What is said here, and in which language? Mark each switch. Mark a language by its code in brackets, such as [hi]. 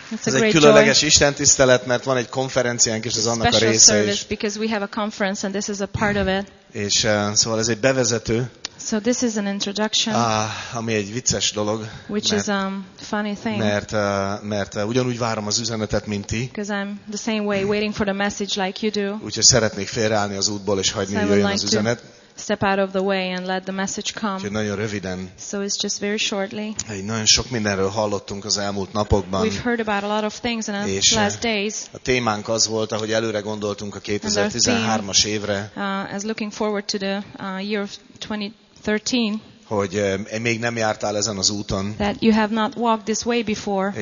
[hu] Ez egy különleges istentisztelet, mert van egy konferenciánk, és ez annak a része is. [en] Because we have a conference and this is a part of it. [hu] És szóval ez egy bevezető. [en] So this is an introduction. [hu] Ami egy vicces dolog. [en] Which is a funny thing. [hu] Mert ugyanúgy várom az üzenetet, mint ti. [en] Because I'm the same way waiting for the message like you do. [hu] Úgyhogy szeretnék félreállni az útból és hagyni, hogy jöjjön az üzenet. [en] Step out of the way and let the message come. [hu] Úgyhogy nagyon röviden. [en] So it's just very shortly. [hu] Egy nagyon sok mindenről hallottunk az elmúlt napokban. [en] We've heard about a lot of things in the last days. [hu] A témánk az volt, ahogy előre gondoltunk a 2013-as évre. [en] As looking forward to the year of 2013. [hu] Hogy még nem jártál ezen az úton. [en] That you have not walked this way before.